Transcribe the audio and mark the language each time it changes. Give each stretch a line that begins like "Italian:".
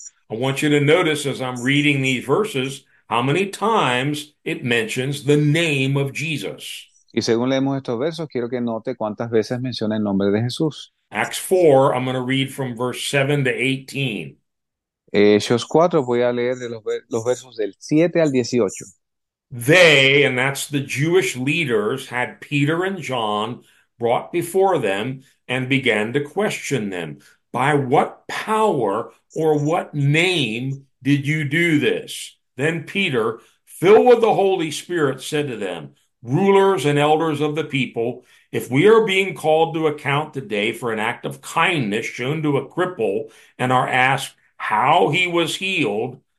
English: I want you to notice as I'm reading these verses how many times it mentions the name of Jesus.
Spanish: Y según leemos estos versos, quiero que note cuántas veces menciona el nombre de Jesús.
English: Acts 4, I'm going to read from verse 7 to 18.
Spanish: Hechos 4, voy a leer de los versos del 7 al 18.
English: They, and that's the Jewish leaders, had Peter and John brought before them and began to question them. By what power or what name did you do this? Then Peter, filled with the Holy Spirit, said to them, Rulers and elders of the people, if we are being called to account today for an act of kindness shown to a cripple and are asked how he was healed,